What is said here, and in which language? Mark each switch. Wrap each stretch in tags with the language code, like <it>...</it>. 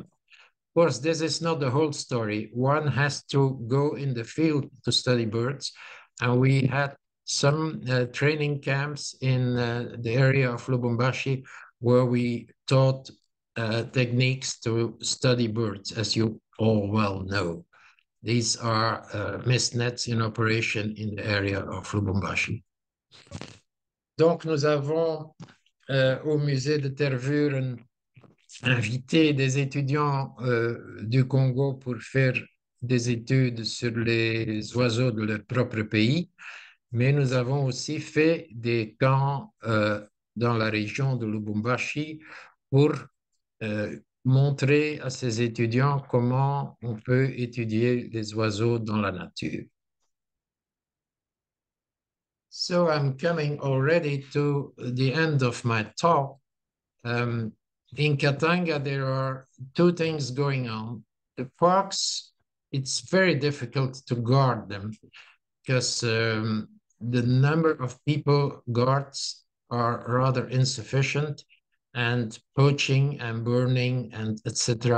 <en>Of course, this is not the whole story. One has to go in the field to study birds, and we had some training camps in the area of Lubumbashi where we taught techniques to study birds, as you all well know. These are mist nets in operation in the area of Lubumbashi.</en> <fr>Donc, nous avons au musée de Tervuren invité des étudiants du Congo pour faire des études sur les oiseaux de leur propre pays, mais nous avons aussi fait des camps dans la région de Lubumbashi pour montrer à ces étudiants comment on peut étudier les oiseaux dans la nature.</fr> <en>So I'm coming already to the end of my talk. In Katanga, there are two things going on. The parks, it's very difficult to guard them because the number of people guards are rather insufficient, and poaching and burning and etc.</en>